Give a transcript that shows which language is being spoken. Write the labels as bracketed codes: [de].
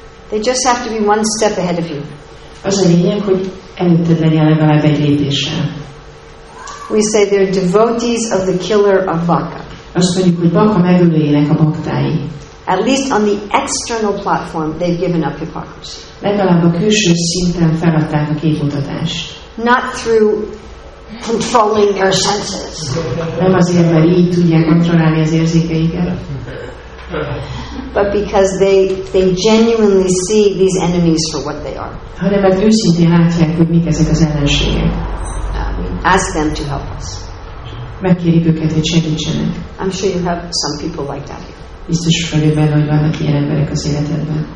[en] They just have to be one step ahead of you. [hu] Az a lényeg, hogy előtted legyen legalább egy lépéssel. [en] We say they're devotees of the killer of Baka. [hu] Azt mondjuk, hogy Baka megölőjének a baktái. [en] At least on the external platform, they've given up hypocrisy. [hu] Legalább a külső szinten feladták a képmutatást. [en] Not through controlling their senses. [hu] Nem azért, mert így tudják kontrollálni az érzékeiket. [en] But because they genuinely see these enemies for what they are. [hu] Hanem mert őszintén látják, hogy mik ezek az ellenségek. [en] Ask them to help us. [hu] Megkérjük őket, hogy segítsenek. [en] I'm sure you have some people like that. [hu] Biztos vagyok benne, hogy vannak ilyen emberek az életedben.